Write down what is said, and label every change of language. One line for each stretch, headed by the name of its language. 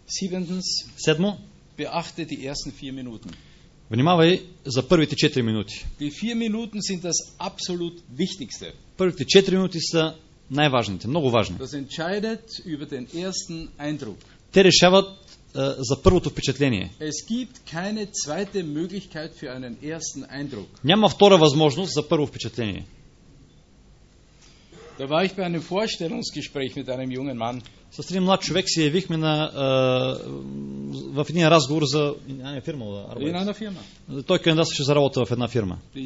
German: Siebentens,
Bulgarian: седмо,
German: beachte die ersten 4 Minuten.
Bulgarian: Внимавай за първите 4 минути.
German: Die 4 Minuten sind das absolut wichtigste.
Bulgarian: Първите 4 минути са най-важните, много важни.
German: Das entscheidet über den ersten Eindruck.
Bulgarian: Те решават за първото впечатление.
German: Es gibt keine zweite Möglichkeit für einen ersten Eindruck.
Bulgarian: Няма втора възможност за първо впечатление.
German: Da war ich bei einem Vorstellungsgespräch mit einem jungen Mann.
Bulgarian: С един млад човек се явихме на в един разговор за една фирма. Той кандидатстваше за работа в една фирма.